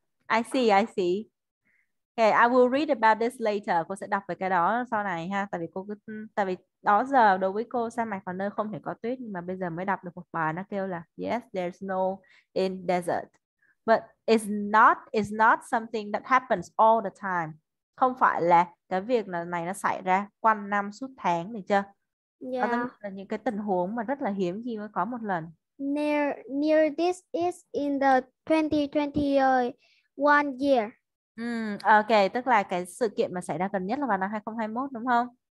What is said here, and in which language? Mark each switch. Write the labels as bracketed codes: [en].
[en] I see. Okay, I will read about this later. [vi] Cô sẽ đọc về cái đó sau này ha. Tại vì đó giờ đối với cô sa mạc là nơi không thể có tuyết, nhưng mà bây giờ mới đọc được một bài nó kêu là [en] yes, there's snow in desert. But it's not something that happens all the time. [vi] Không phải là cái việc là này nó xảy ra quanh năm suốt tháng, được chưa? Có giống như là những cái tình huống mà rất là hiếm khi mới có một lần. [en] Near this is in the 2021 year. [vi] Ok, tức là cái sự kiện mà xảy ra gần nhất là vào năm 2021 đúng không?